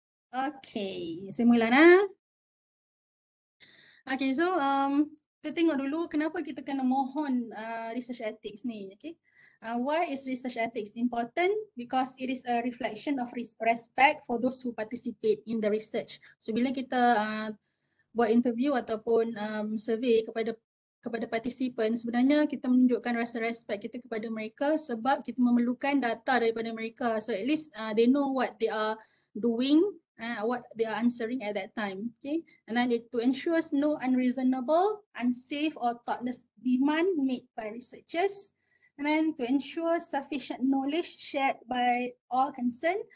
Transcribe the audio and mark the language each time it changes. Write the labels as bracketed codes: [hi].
[ms] Okay, saya mula lah. Okay, so kita tengok dulu kenapa kita kena mohon research ethics ni, okay. [en] Why is research ethics important? Because it is a reflection of respect for those who participate in the research. [ms] So, bila kita buat interview ataupun survey kepada participant, sebenarnya kita menunjukkan rasa respect kita kepada mereka sebab kita memerlukan data daripada mereka. [en] So, at least they know what they are doing, what they are answering at that time, okay? And then to ensure no unreasonable, unsafe or thoughtless demand made by researchers. And then to ensure sufficient knowledge shared by all concerned.